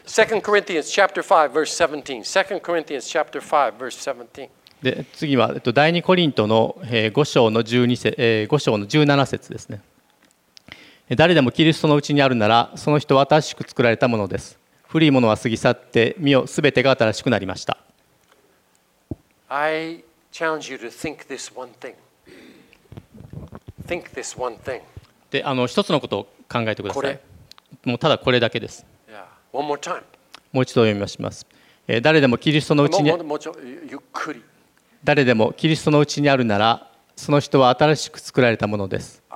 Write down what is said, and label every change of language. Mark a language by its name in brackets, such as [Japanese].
[English] Second Corinthians chapter 5 verse 17. Second Corinthians chapter 5 verse 17. [Japanese] で次は第2コリントの5章の17節ですね。誰でもキリストのうちにあるなら、その人は新しく作られたものです。古いものは過ぎ去って、見よ、すべてが新しくなりました。 [English] I challenge you to think this one thing. Think this one thing. [Japanese] で一つのことを考えてください。これ、もうただこれだけです。 [English] Yeah. One more time. [Japanese] もう一度読みします、誰でもキリストのうちにもうちょっとゆっくり誰でもキリストのうちにあるなら、その人は新しく作られたものです。